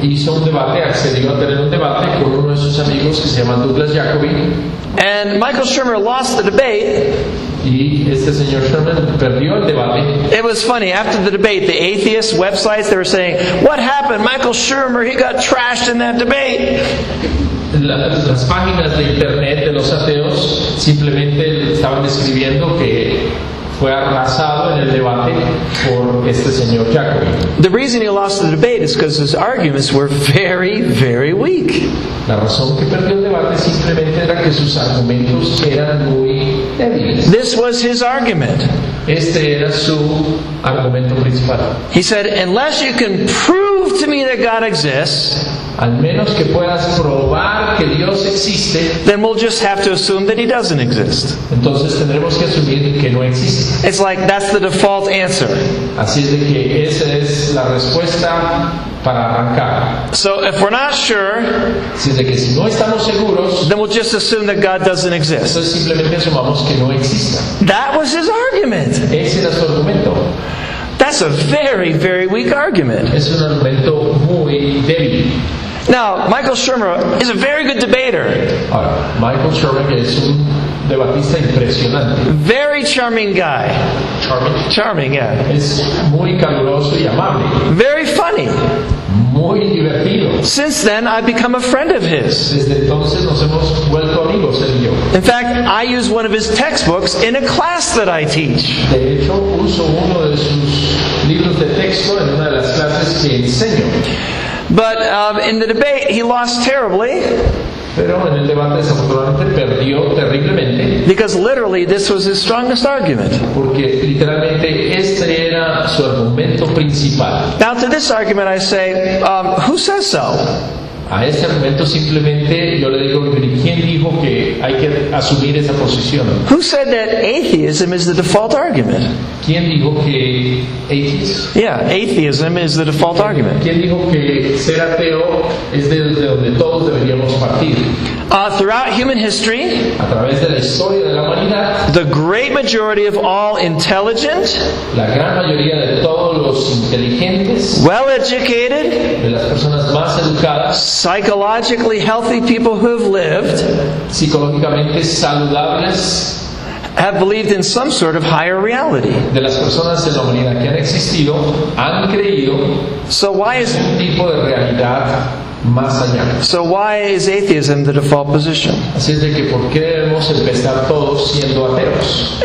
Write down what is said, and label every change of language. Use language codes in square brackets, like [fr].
[es] Hizo un debate, accedió a tener un debate con uno de sus amigos que se llama Douglas Jacoby. [en] And Michael Shermer lost the debate. [es] Y este señor Shermer perdió el debate. [en] It was funny, after the debate, the atheist websites, they were saying, what happened, Michael Shermer, he got trashed in that debate. [es] Las páginas de internet de los ateos simplemente estaban describiendo que fue arrasado en el debate por este señor Jacobi. [en] The reason he lost the debate is because his arguments were very, very weak. [es] La razón que perdió el debate simplemente era que sus argumentos eran muy débiles. [en] This was his argument. [es] Este era su argumento principal. [en] He said, unless you can prove to me that God exists, [es] al menos que puedas probar que Dios existe, [en] then we'll just have to assume that he doesn't exist. [es] Entonces tendremos que asumir que no existe. [en] It's like that's the default answer. [es] Así es de que esa es la respuesta para arrancar. [en] So if we're not sure, [es] así es de que si no estamos seguros, [en] then we'll just assume that God doesn't exist. [es] Entonces simplemente asumamos que no exista. [en] That was his argument. [es] Ese era su argumento. [en] That's a very, very weak argument. [es] Es un argumento muy débil. [en] Now, Michael Shermer is a very good debater. [es] Michael Shermer es un debatista impresionante. [en] Very charming guy. Charming? Charming, yeah. [es] Es muy caluroso y amable. [en] Very funny. [es] Muy divertido. [en] Since then, I've become a friend of his. [es] Desde entonces nos hemos vuelto amigos, él y yo. [en] In fact, I use one of his textbooks in a class that I teach. [es] De hecho, uso uno de sus libros de texto en una de las clases que enseño. [en] But in the debate, he lost terribly. [es] Pero en el debate, desafortunadamente, perdió terriblemente. [en] Because literally, this was his strongest argument. [es] Porque literalmente, este era su argumento principal. [en] Now to this argument, I say, who says so? [es] A este argumento simplemente yo le digo, ¿quién dijo que hay que asumir esa posición? [en] Who said that atheism is the default argument? [es] ¿Quién dijo que atheism? [en] Yeah, atheism is the default argument. [es] ¿Quién dijo que ser ateo es desde donde todos deberíamos partir? [en] Throughout human history, [es] a través de la historia de la humanidad, [en] the great majority of all intelligent, [es] la gran mayoría de todos los inteligentes, [en] well educated, [es] de las personas más educadas, [en] psychologically healthy people who've lived, [es] psicológicamente saludables, [en] have believed in some sort of higher reality. [es] De las personas de la humanidad que han existido, han creído, [en] so why is [es] un tipo de realidad más allá. [en] So why is atheism the default position? [es] Así es de que ¿por qué debemos empezar todos siendo ateos?